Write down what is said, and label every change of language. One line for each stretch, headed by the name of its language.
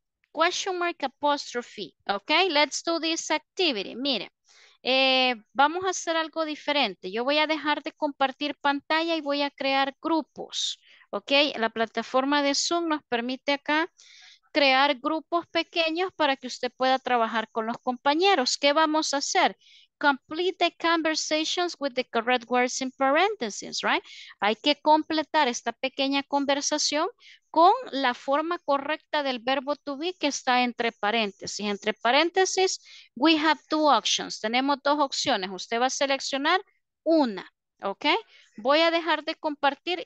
English: Question mark apostrophe, ¿ok? Let's do this activity. Mire.
Spanish: Vamos a hacer algo diferente. Yo voy a dejar de compartir pantalla y voy a crear grupos, ¿ok? La plataforma de Zoom nos permite acá crear grupos pequeños para que usted pueda trabajar con los compañeros. ¿Qué vamos a hacer?
English: Complete the conversations with the correct words in parentheses, right?
Spanish: Hay que completar esta pequeña conversación con la forma correcta del verbo to be que está entre paréntesis. Entre paréntesis,
English: we have two options.
Spanish: Tenemos dos opciones. Usted va a seleccionar una, ¿ok? Voy a dejar de compartir.